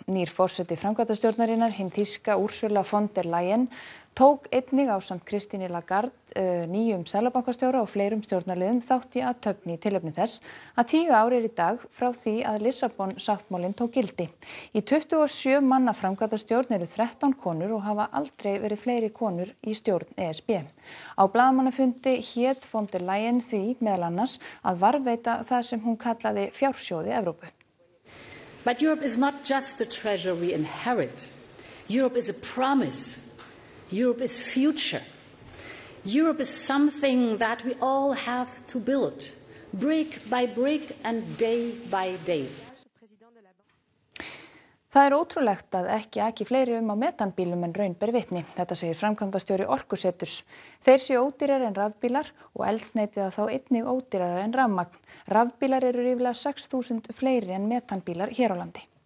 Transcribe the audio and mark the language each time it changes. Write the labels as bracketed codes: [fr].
[is] Nýr forseti framkvæmdastjórnarinnar, hinn þýska Ursula von der Leyen, tók einnig ásamt Christine Lagarde nýjum seðlabankastjóra og fleirum stjórnarliðum þátt í að töfni í tilefni þess að 10 ár er í dag frá því að Lissabon-sáttmálinn tók gildi. Í 27 manna framkvæmdastjórn eru 13 konur og hafa aldrei verið fleiri konur í stjórn ESB. Á blaðamannafundi hét von der Leyen því meðal annars að varðveita það sem hún kallaði fjársjóði Evrópu. [en] But Europe is not just the treasure we inherit. Europe is a promise. Europe is future. Europe is something that we all have to build, brick by brick and day by day. [is] Það er ótrúlegt að ekki aki fleiri á metanbílum en raun ber vitni, þetta segir framkvæmdastjóri Orkuseturs. Þeir séu ódýrar en rafbílar og eldsneytið að þá einnig ódýrar en rafmagn. Rafbílar eru ríflega 6.000 fleiri en metanbílar hér á landi.